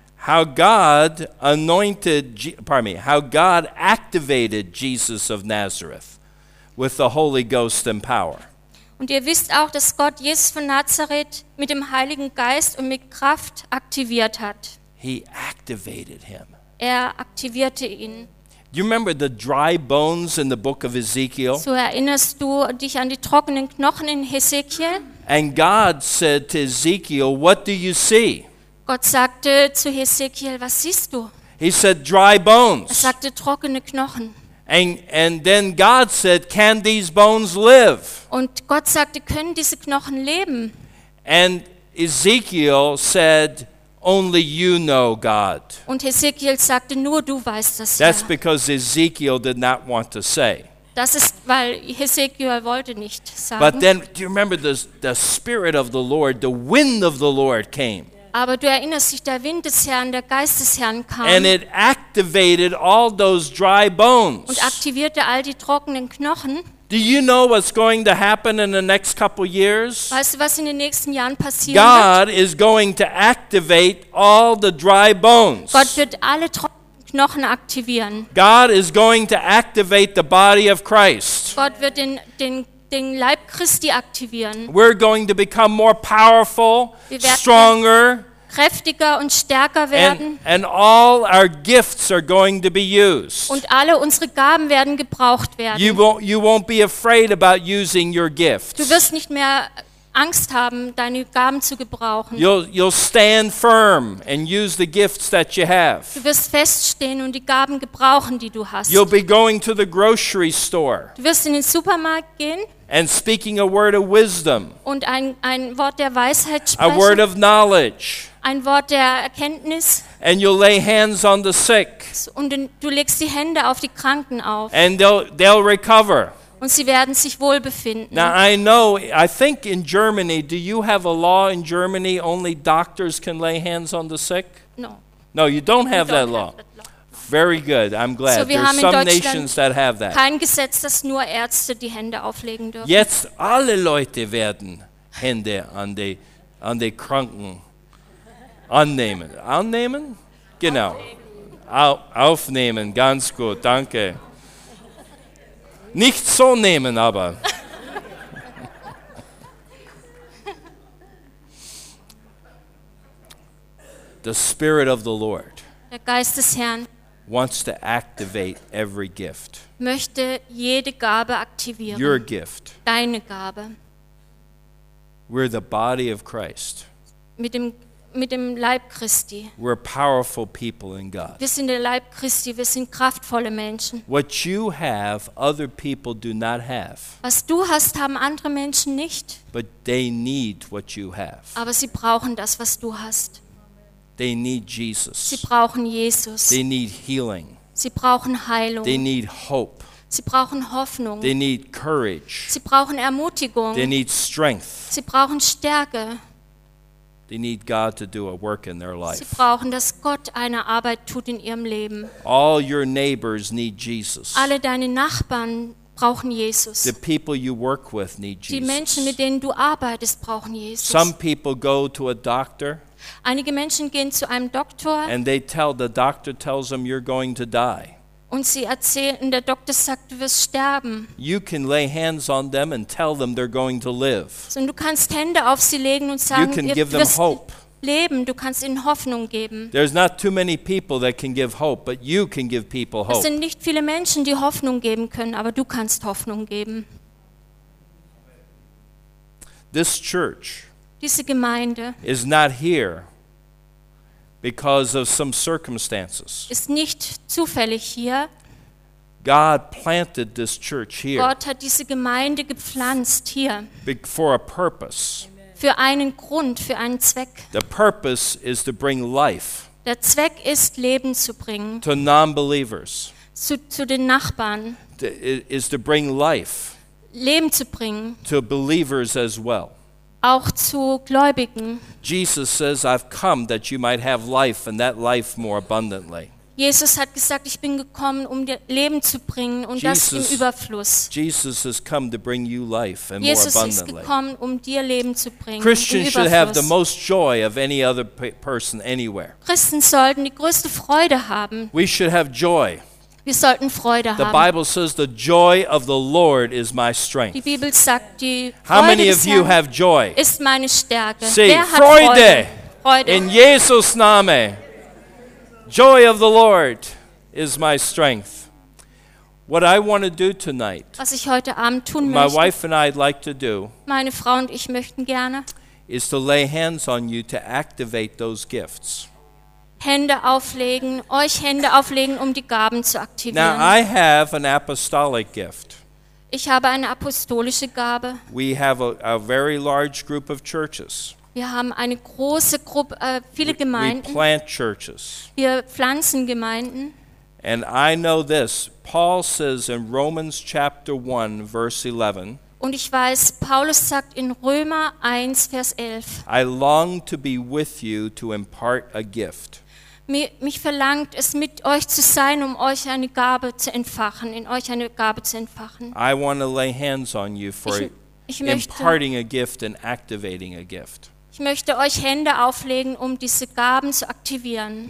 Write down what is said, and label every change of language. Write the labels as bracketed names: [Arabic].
[English] How God anointed, pardon me, how God activated Jesus of Nazareth with the Holy Ghost and power. [German] Und ihr wisst auch, dass Gott Jesus von Nazareth mit dem Heiligen Geist und mit Kraft aktiviert hat. [English] He activated him. [German] Er aktivierte ihn. [English] Do you remember the dry bones in the book of Ezekiel? [German] So erinnerst du dich an die trockenen Knochen in Hesekiel? [English] And God said to Ezekiel, "What do you see?" [German] Gott sagte zu Hesekiel, was siehst du? [English] He said, "Dry bones." [German] Er sagte trockene Knochen. [English] And then God said, "Can these bones live?" [German] Und Gott sagte, können diese Knochen leben? [English] And Ezekiel said, "Only you know, God." [German] Und Hesekiel sagte, nur du weißt das. [English] That's because Ezekiel did not want to say. [German] Das ist, weil Hesekiel wollte nicht sagen. [English] But then, do you remember the spirit of the Lord, the wind of the Lord came. [German] Aber du erinnerst dich, der Wind des Herrn, der Geist des Herrn kam. [English] And it activated all those dry bones. [German] Und aktivierte all die trockenen Knochen. [English] Do you know what's going to happen in the next couple years? [German] Weißt du, was in den nächsten Jahren passieren [English] God [German] wird? [English] Is going to activate all the dry bones. [German] Gott wird alle trockenen Knochen aktivieren. [English] God is going to activate the body of Christ. [German] Gott wird den Leib Christi aktivieren. [English] We're going to become more powerful, stronger, [German] kräftiger und stärker werden. [English] And all our gifts are going to be used. [German] Und alle unsere Gaben werden gebraucht werden. [English] You won't be afraid about using your gifts. [German] Du wirst nicht mehr Angst haben, deine Gaben zu gebrauchen. [English] You'll stand firm and use the gifts that you have. [German] Du wirst feststehen und die Gaben gebrauchen, die du hast. [English] You'll be going to the grocery store. [German] Du wirst in den Supermarkt gehen. [English] And speaking a word of wisdom. [German] Und ein Wort der Weisheit sprechen. [English] A word of knowledge. [German] Ein Wort der Erkenntnis. [English] And you'll lay hands on the sick. [German] Und du legst die Hände auf die Kranken auf. [English] And they'll recover. [German] Und sie werden sich wohl befinden. [English] Now I know, I think in Germany, do you have a law in Germany only doctors can lay hands on the sick? No. No, you don't have that law. Very good. I'm glad. So there's some nations that have that. [German] Kein Gesetz, dass nur Ärzte die Hände auflegen dürfen. Jetzt alle Leute werden Hände an die Kranken annehmen. Annehmen? Genau. Aufnehmen. Ganz gut. Danke. Nicht so nehmen, aber. [English] The Spirit of the Lord. [German] Der Geist des Herrn. [English] Wants to activate every gift. [German] Möchte jede Gabe aktivieren. [English] Your gift. [German] Deine Gabe. [English] We're the body of Christ. [German] Mit dem Leib Christi. [English] We're powerful people in God. [German] Wir sind der Leib Christi, wir sind kraftvolle Menschen. [English] What you have, other people do not have. [German] Was du hast, haben andere Menschen nicht. [English] But they need what you have. [German] Aber sie brauchen das, was du hast. [English] They need Jesus. [German] Sie brauchen Jesus. [English] They need healing. [German] Sie brauchen Heilung. [English] They need hope. [German] Sie brauchen Hoffnung. [English] They need courage. [German] Sie brauchen Ermutigung. [English] They need strength. [German] Sie brauchen Stärke. [English] They need God to do a work in their life. [German] Sie brauchen, dass Gott eine Arbeit tut in ihrem Leben. [English] All your neighbors need Jesus. [German] Alle deine Nachbarn brauchen Jesus. [English] The people you work with need Jesus. [German] Die Menschen, mit denen du arbeitest, brauchen Jesus. [English] Some people go to a doctor. [German] Einige Menschen gehen zu einem Doktor. [English] And they tell the doctor tells them you're going to die. [German] Und sie erzählen, der Doktor sagt, du wirst sterben. [English] You can lay hands on them and tell them they're going to live. [German] Und du kannst Hände auf sie legen und sagen, [English] you can give them hope. [German] Leben, du kannst ihnen Hoffnung geben. [English] There's not too many people that can give hope, but you can give people hope. [German] Es sind nicht viele Menschen, die Hoffnung geben können, aber du kannst Hoffnung geben. [English] This church. [German] Diese Gemeinde [English] is not here because of some circumstances. [German] Ist nicht zufällig hier. [English] God planted this church here. [German] Gott hat diese Gemeinde gepflanzt hier. [English] For a purpose. [German] Für einen Grund, für einen Zweck. [English] The purpose is to bring life. [German] Der Zweck ist, Leben zu bringen. [English] To non-believers. [German] Zu den Nachbarn. [English] Is to bring life. [German] Leben zu bringen. [English] To believers as well. [German] Auch zu Gläubigen. [English] Jesus says, I've come that you might have life and that life more abundantly. [German] Jesus hat gesagt, ich bin gekommen, um dir Leben zu bringen und Jesus, das im Überfluss. [English] Jesus has come to bring you life and Jesus more abundantly. [German] Jesus ist gekommen, um dir Leben zu bringen. [English] Christians should have the most joy of any other person anywhere. [German] Christen sollten die größte Freude haben. [English] We should have joy. [German] Wir sollten Freude haben. [English] The Bible says the joy of the Lord is my strength. [German] Die Bibel sagt, die Freude [English] How many of you have joy? [German] Ist meine Stärke. [English] See, [German] Wer hat Freude? [English] In Jesus Name. Joy of the Lord is my strength. What I want to do tonight. [German] Was ich heute Abend tun möchte. [English] My wife and I'd like to do. [German] Meine Frau und ich möchten gerne. [English] Is to lay hands on you to activate those gifts. [German] Hände auflegen, euch Hände auflegen, um die Gaben zu aktivieren. [English] Now I have an apostolic gift. [German] Ich habe eine apostolische Gabe. [English] We have a very large group of churches. [German] Wir haben eine große Gruppe, viele Gemeinden. [English] We plant churches. [German] Wir pflanzen Gemeinden. [English] And I know this. Paul says in Romans chapter 1, verse 11. [German] Und ich weiß, Paulus sagt in Römer 1, Vers 11. [English] I long to be with you to impart a gift. [German] Mich verlangt es, mit euch zu sein, um euch eine Gabe zu entfachen, in euch eine Gabe zu entfachen. [English] I want to lay hands on you for imparting a gift and activating a gift. [German] Ich möchte euch Hände auflegen, um diese Gaben zu aktivieren.